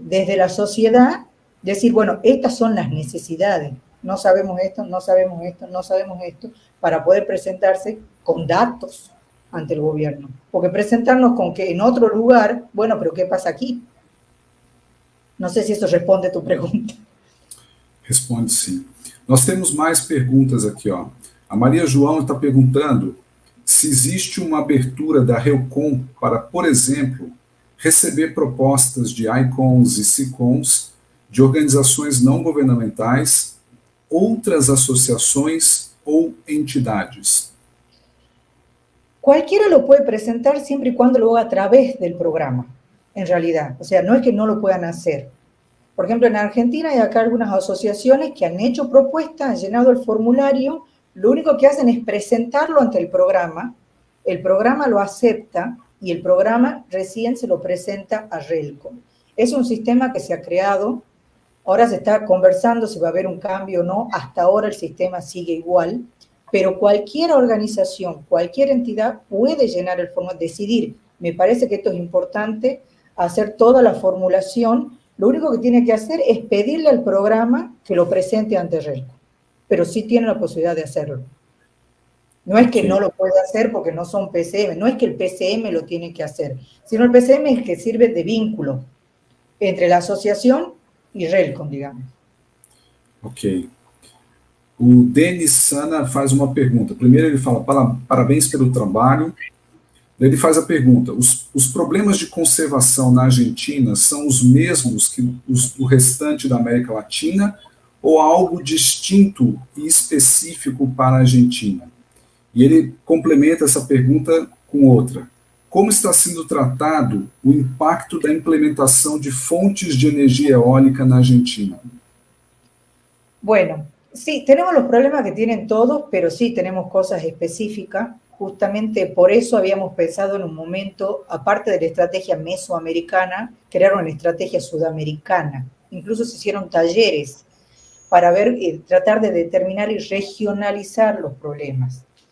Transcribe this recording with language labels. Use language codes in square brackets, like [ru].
[es] Desde la sociedad decir, bueno, estas son las necesidades. No sabemos esto, no sabemos esto, no sabemos esto, para poder presentarse con datos ante el gobierno, porque presentarnos con que en otro lugar, bueno, pero ¿qué pasa aquí? No sé si eso responde a tu pregunta. Responde, sí. [pt] Nós temos mais perguntas aqui, ó. A Maria João está perguntando se existe uma abertura da Reucon para, por exemplo, receber propostas de ICONs e CICONs de organizações não governamentais, outras associações ou entidades. [es] Cualquiera lo puede presentar siempre y cuando lo haga a través del programa, en realidad. O sea, no es que no lo puedan hacer. Por ejemplo, en Argentina hay acá algunas asociaciones que han hecho propuestas, han llenado el formulario, lo único que hacen es presentarlo ante el programa lo acepta y el programa recién se lo presenta a RELCO. Es un sistema que se ha creado, ahora se está conversando si va a haber un cambio o no, hasta ahora el sistema sigue igual. Pero cualquier organización, cualquier entidad puede llenar el formulario, decidir. Me parece que esto es importante, hacer toda la formulación. Lo único que tiene que hacer es pedirle al programa que lo presente ante RELCO. Pero sí tiene la posibilidad de hacerlo. No es que sí. No lo pueda hacer porque no son PCM, no es que el PCM lo tiene que hacer, sino el PCM es el que sirve de vínculo entre la asociación y RELCO, digamos. Ok. [pt] O Denis Sana faz uma pergunta. Primeiro ele fala, parabéns pelo trabalho. Ele faz a pergunta, os problemas de conservação na Argentina são os mesmos que o restante da América Latina ou algo distinto e específico para a Argentina? E ele complementa essa pergunta com outra. Como está sendo tratado o impacto da implementação de fontes de energia eólica na Argentina? [es] Bueno. Sí, tenemos los problemas que tienen todos, pero sí tenemos cosas específicas. Justamente por eso habíamos pensado en un momento, aparte de la estrategia mesoamericana, crear una estrategia sudamericana. Incluso se hicieron talleres para ver, tratar de determinar y regionalizar los problemas.